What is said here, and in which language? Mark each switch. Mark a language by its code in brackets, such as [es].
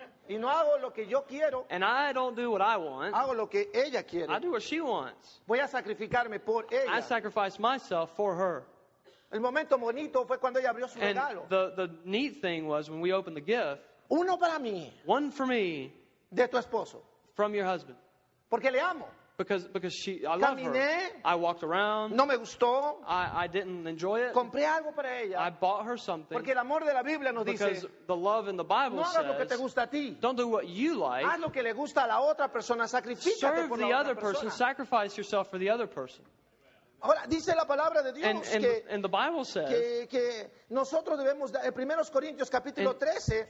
[es] Y no hago lo que yo quiero. [en] And I don't do what I want. [es] Hago lo que ella quiere. [en] I do what she wants. [es] Voy a sacrificarme por ella. [en] I sacrifice myself for her. [es] El momento bonito fue cuando ella abrió su [en] and [es] regalo. [en] The neat thing was when we opened the gift. [es] Uno para mí. [en] One for me. [es] De tu esposo. [en] From your husband. [es] Porque le amo. [en] Because she, I [es] caminé, [en] love her. I walked around. [es] No me gustó. [en] I didn't enjoy it. [es] Compré algo para ella. [en] I bought her something. [es] Porque el amor de la Biblia nos [en] because [es] dice. [en] Because the love in the Bible [es] no [en] says. [es] No hagas lo que te gusta a ti. [en] Don't do what you like. [es] Haz lo que le gusta a la otra persona. Sacrifícate [en] serve [es] por la [en] the [es] otra [en] other [es] persona. [en] Person. Sacrifice yourself for the other person. [es] Ahora dice la palabra de Dios [en] and the Bible says. [es] Que nosotros debemos en 1 Corintios capítulo 13.